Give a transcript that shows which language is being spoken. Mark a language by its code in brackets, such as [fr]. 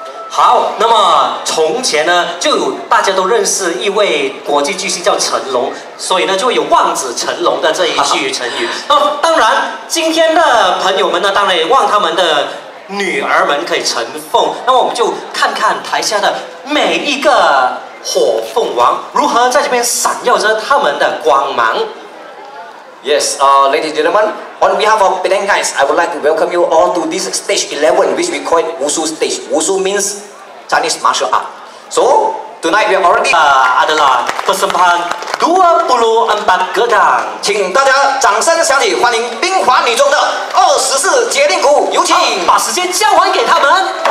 [zh] 好，那么从前呢，就大家都认识一位国际巨星叫成龙，所以呢，就有望子成龙的这一句成语。那当然，今天的朋友们呢，当然也望他们的女儿们可以成凤。那么我们就看看台下的每一个火凤凰如何在这边闪耀着他们的光芒。 [en] Yes, ladies and gentlemen, on behalf of Penang guys, I would like to welcome you all to this stage 11, which we call it Wushu stage. Wushu means Chinese martial art. So, to Tonight we are already [ms] adalah persembahan 24 gedang. [zh] 请大家掌声响起，欢迎冰华女中的24节令鼓，有请。把时间交还给他们。